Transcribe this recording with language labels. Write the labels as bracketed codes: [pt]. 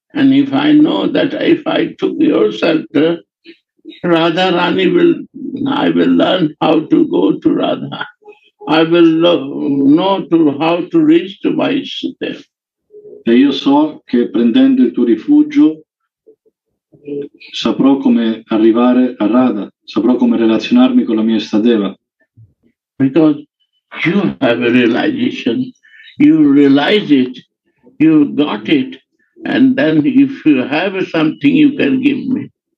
[en] And if I know that if I took your shelter, Radha Rani will, I will learn how to go to Radha. I will know to how to reach to Vaishnava. [it] E io so che prendendo il tuo rifugio saprò come arrivare a Radha, saprò come relazionarmi con la mia Sthadeva. [en] Because you have a realization, you realize it, you got it, and then if you have something you can give me.